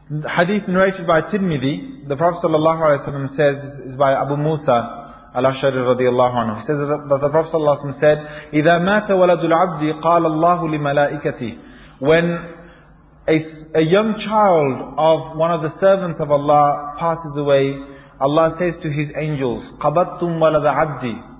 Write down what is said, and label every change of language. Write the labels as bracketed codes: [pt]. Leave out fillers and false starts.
[en] The hadith narrated by Tirmidhi, the Prophet ﷺ says, is by Abu Musa al-Ash'ari radiallahu anhu. He says that the Prophet ﷺ said, [ar] إِذَا مَاتَ وَلَدُ الْعَبْدِ قَالَ اللَّهُ لِمَلَائِكَتِهِ. [en] When a young child of one of the servants of Allah passes away, Allah says to his angels, [ar] قَبَدْتُمْ وَلَدَ عَبْدِي.